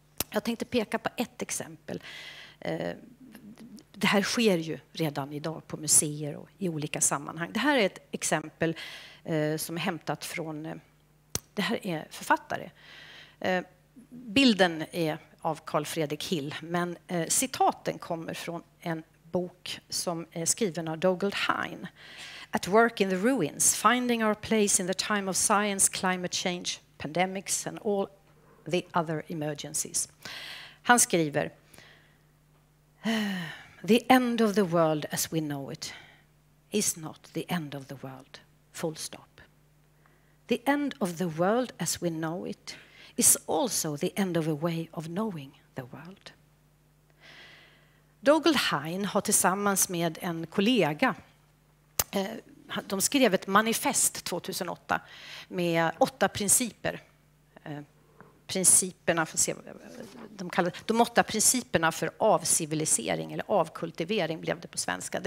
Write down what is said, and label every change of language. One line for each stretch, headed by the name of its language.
Swedish: Jag tänkte peka på ett exempel. Det här sker ju redan idag på museer och i olika sammanhang. Det här är ett exempel som är hämtat från... Det här är författare. Bilden är av Carl Fredrik Hill, men citaten kommer från en bok som är skriven av Dougald Hine.
English: At work in the ruins, finding our place in the time of science, climate change, pandemics and all the other emergencies.
Swedish: Han skriver...
English: The end of the world as we know it is not the end of the world, full stop. The end of the world as we know it is also the end of a way of knowing the world.
Swedish: Dougald Hine har tillsammans med en kollega, de skrev ett manifest 2008 med 8 principer. Principerna för, de kallade de 8 principerna för avcivilisering eller avkultivering blev det på svenska.